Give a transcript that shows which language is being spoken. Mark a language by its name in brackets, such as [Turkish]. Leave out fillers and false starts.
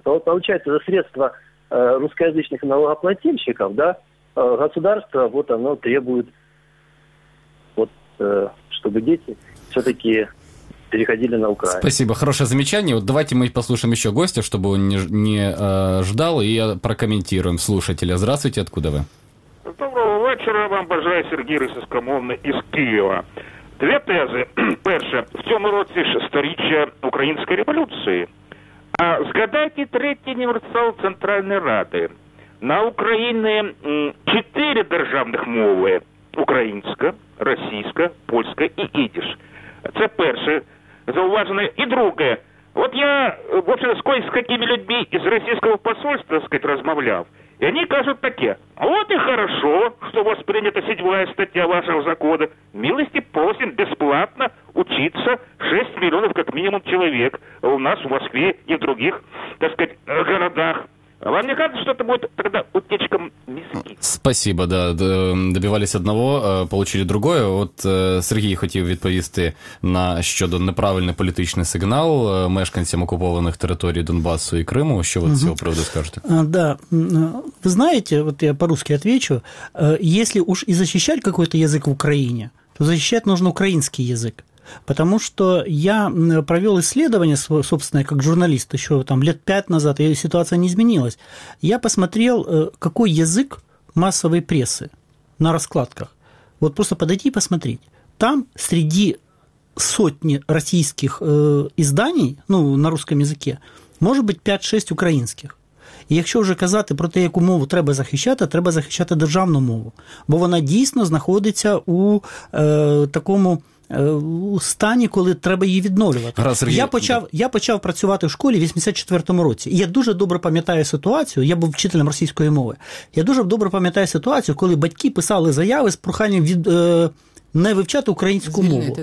[Russian] Получается, за средства русскоязычных налогоплательщиков, да, государство вот оно требует, вот, чтобы дети... все-таки переходили на Украину. Спасибо. Хорошее замечание. Вот давайте мы послушаем еще гостя, чтобы он не ждал, и прокомментируем слушателя. Здравствуйте, откуда вы? [Ukrainian] Доброго вечора. Вам бажаю Сергій Рисоскомовний із Києва. Дві тези. Перше. В цьому році шестиріччя Української революції. А згадайте третій універсал Центральної Ради. На Україні чотири державних мови. Українська, російська, польська і ідиш. Це перше зауваження. І друге. От я вже з якими людьми із російського посольства, сказать, розмовляв. І вони кажуть таке. От і хорошо, що у вас прийнята 7-я стаття вашого закону. Милості просим безплатно учиться 6 мільйонів, як мінімум, чоловік. У нас в Москві і в других, [Russian] так сказать, [Ukrainian] городах. [Russian] Вам не кажется, что это будет тогда утечка миски? Спасибо, да. Добивались одного, получили другое. [Ukrainian] От Сергій хотів відповісти на щодо неправильний політичний сигнал мешканцям окупованих територій Донбасу і Криму. Що ви з цього приводу скажете? [Russian] Да. [Ukrainian] Ви знаєте, от я по-русски відвечу, якщо уж і захищати якийсь язик в Україні, то захищати потрібен український язик. [Russian] Потому что я провел исследование, собственно, как журналист, еще там лет 5 назад, и ситуация не изменилась. Я посмотрел, какой язык массовой прессы на раскладках. Вот просто подойти и посмотреть. Там среди сотни российских изданий, ну, на русском языке, может быть 5-6 украинских. [Ukrainian] І якщо вже казати про те, яку мову треба захищати державну мову. Бо вона дійсно знаходиться у такому... стані, коли треба її відновлювати. Я почав працювати в школі в 84-му році. Я дуже добре пам'ятаю ситуацію, я був вчителем російської мови, я дуже добре пам'ятаю ситуацію, коли батьки писали заяви з проханням не вивчати українську мову.